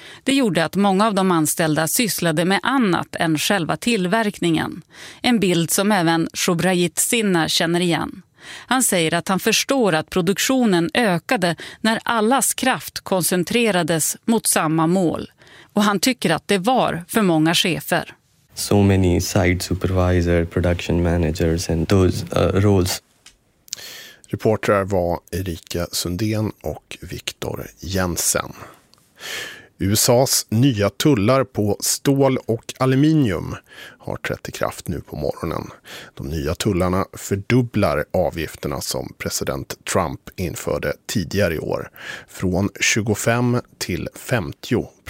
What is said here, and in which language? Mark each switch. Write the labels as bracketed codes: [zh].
[sv] Det gjorde att många av de anställda sysslade med annat än själva tillverkningen. En bild som även Shubhrajit Sinha känner igen. Han säger att han förstår att produktionen ökade när allas kraft koncentrerades mot samma mål. Och han tycker att det var för många chefer. [en] So many site supervisor, production managers and those roles. [sv] Reportrar var Erika Sundén och Viktor Jensen. USAs nya tullar på stål och aluminium har trätt i kraft nu på morgonen. De nya tullarna fördubblar avgifterna som president Trump införde tidigare i år, från 25% till 50%.